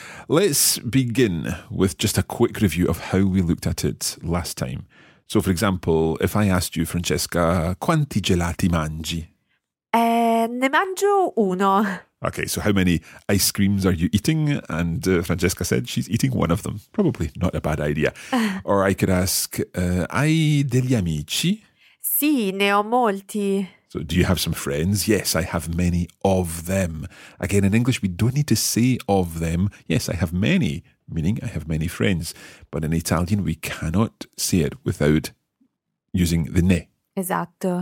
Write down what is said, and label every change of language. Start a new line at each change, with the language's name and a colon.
English: Let's begin with just a quick review of how we looked at it last time. So, for example, if I asked you, Francesca,
Italian: quanti gelati mangi? Ne mangio uno.
English: Okay, so how many ice creams are you eating? And Francesca said she's eating one of them. Probably not a bad idea. Or I could ask,
Italian: hai degli amici? Sì, ne ho molti.
English: So do you have some friends? Yes, I have many of them. Again, in English, we don't need to say of them. Yes, I have many, meaning I have many friends. But in Italian, we cannot say it without using the ne.
Italian: Esatto.